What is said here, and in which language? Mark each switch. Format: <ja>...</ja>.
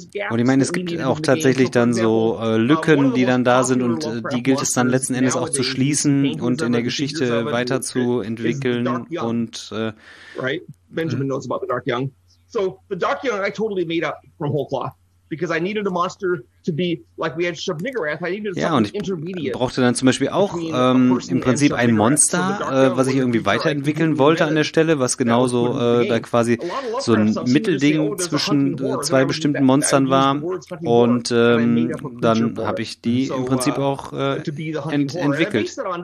<de>Und ich meine, es gibt auch tatsächlich dann so Lücken, die dann da sind und die gilt es dann letzten Endes auch zu schließen und in der Geschichte weiterzuentwickeln und</de> <en>right? Benjamin knows about the Dark Young. So the Dark Young I totally made up from whole cloth. Because I needed a monster to be like we had Shub-Niggurath. I needed something intermediate.</en> <de>Ich brauchte dann zum Beispiel auch im Prinzip ein Monster, was ich irgendwie weiterentwickeln wollte an der Stelle, was genauso da quasi so ein Mittelding zwischen zwei bestimmten Monstern war. Und dann habe ich die im Prinzip auch entwickelt.</de>